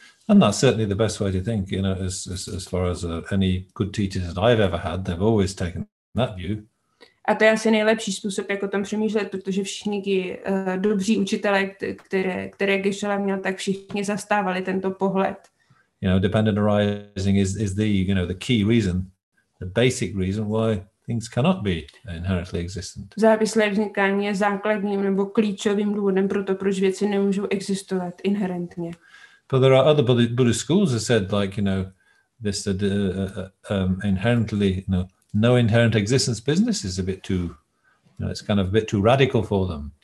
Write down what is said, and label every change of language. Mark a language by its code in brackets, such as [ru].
[en] And that's certainly the best way to think, you know, as far as any good teachers that I've ever had, they've always taken that view. [cs] A to je asi nejlepší způsob, jak o tom přemýšlet, protože všichni dobří učitelé, které Geshe-la měl, tak všichni zastávali tento pohled. [en] You know, dependent arising is the, you know, the key reason, the basic reason why things cannot be inherently existent. [cs] Závislé vznikání je základním nebo klíčovým důvodem pro to, proč věci nemůžou existovat inherentně. [en] But there are other Buddhist schools that said, like, you know, this inherently, you know, no inherent existence business is a bit too It's kind of a bit too radical for them.